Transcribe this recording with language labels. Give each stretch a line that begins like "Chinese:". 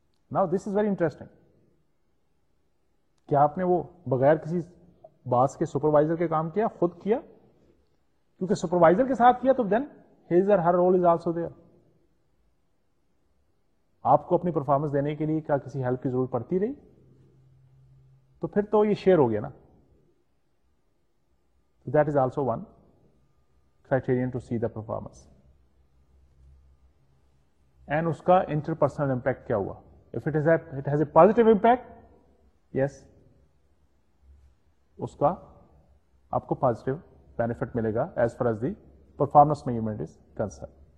Urdu: Now this is very interesting, کیا آپ نے وہ بغیر کسی باس کے سپروائزر کے کام کیا, خود کیا, کیونکہ سپروائزر کے ساتھ کیا تو دین his or her role is also there. آپ کو اپنی پرفارمنس دینے کے لیے کیا کسی ہیلپ کی ضرورت پڑتی رہی, تو پھر تو یہ شیئر ہو گیا نا.
English: That is also one criterion to see the performance.
Urdu: And اس کا انٹر پرسنل امپیکٹ کیا ہوا, if it has a positive impact, یس اس کا آپ کو پازیٹو بینیفٹ ملے گا as far as the performance measurement is concern.